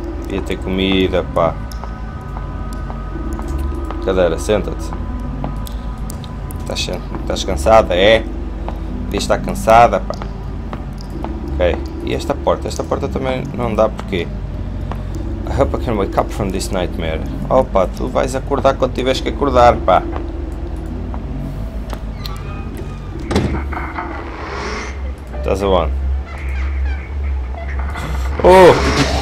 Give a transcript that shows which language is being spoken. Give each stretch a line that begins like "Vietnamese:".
Portuguese: Ia ter comida, pá. Cadeira, senta-te. Estás cansada, é? Devia estar cansada, pá. Ok. E esta porta? Esta porta também não dá, porquê?
English: I hope I can wake up from this nightmare.
Portuguese: Opa, tu vais acordar quando tiveres que acordar, pá. Estás a bom. Oh!